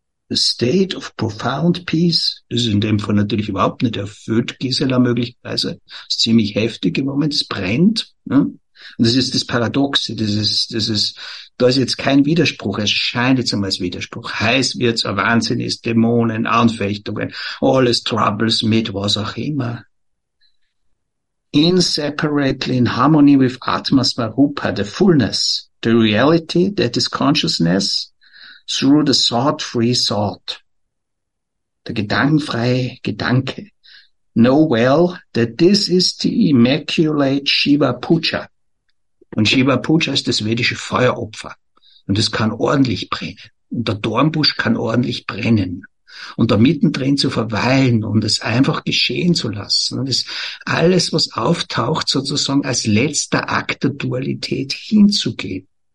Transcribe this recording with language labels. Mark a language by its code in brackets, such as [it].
[en] The state of profound peace [de] ist in dem Fall natürlich überhaupt nicht erfüllt, Gisela, möglicherweise. Es ist ziemlich heftig im Moment, es brennt. Ne? Und das ist das Paradoxe, da ist jetzt kein Widerspruch, es scheint jetzt einmal als Widerspruch. Heiß wird es, ein Wahnsinn ist, Dämonen, Anfechtungen, alles Troubles mit was auch immer. [en] Inseparably in harmony with Atma Swarupa, the fullness, the reality that is consciousness, through the thought-free thought, [de] der gedankenfreie Gedanke. [en] Know well that this is the immaculate Shiva Puja. [de] Und Shiva Puja ist das vedische Feueropfer. Und es kann ordentlich brennen. Und der Dornbusch kann ordentlich brennen. Und da mittendrin zu verweilen und es einfach geschehen zu lassen. Und es alles, was auftaucht, sozusagen als letzter Akt der Dualität hinzugeben.